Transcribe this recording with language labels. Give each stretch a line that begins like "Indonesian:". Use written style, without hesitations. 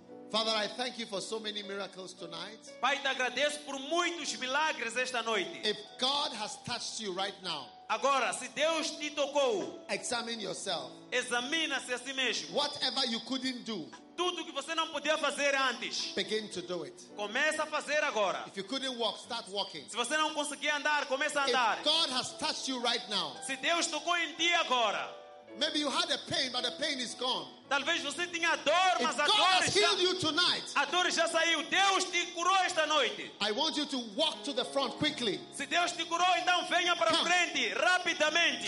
English: Father, I thank you for so many miracles tonight.
Portuguese: Pai, te agradeço por muitos milagres esta noite.
English: If God has touched you right now.
Portuguese: Agora, se Deus te tocou,
English: examine yourself.
Portuguese: Examina-se a si mesmo.
English: Whatever you couldn't do,
Portuguese: tudo que você não podia fazer antes,
English: begin to do it.
Portuguese: Começa a fazer agora.
English: If you couldn't walk, start walking.
Portuguese: Se você não conseguia andar, começa a andar.
English: If God has touched you right now,
Portuguese: se Deus tocou em ti agora,
English: maybe you had a pain, but the pain is gone.
Portuguese: Talvez você tenha dor, mas a dor, a dor já saiu. Deus te curou esta noite.
English: I want you to walk to the front quickly.
Portuguese: Se Deus te curou, então venha para frente rapidamente.